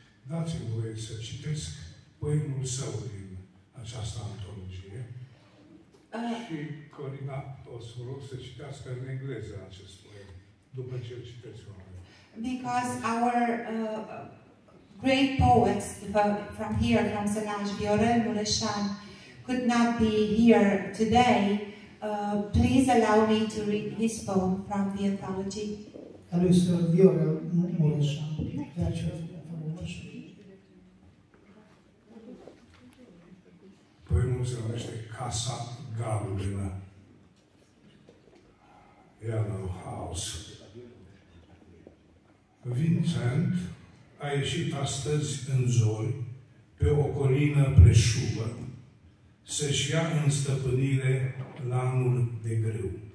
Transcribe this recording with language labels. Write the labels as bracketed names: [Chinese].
[Romanian] Dați-mi voie să citesc poemul său din această antologie. Și Corina o să rog să citească în engleză acest poem, după ce îl citesc oameni. [English] Because our great poets from here, from Szalasz, Viorel, Mureșan, could not be here today, please allow me to read his poem from the anthology. [Hungarian] Először Viorel Mureșan, versetet fogom olvasni. [Romanian] Poemul se numește Casa Galbenă. [English] Yellow House. [Romanian] Vincent a ieșit astăzi în zori pe o colină preșubă să-și ia în stăpânire lanul de grâu.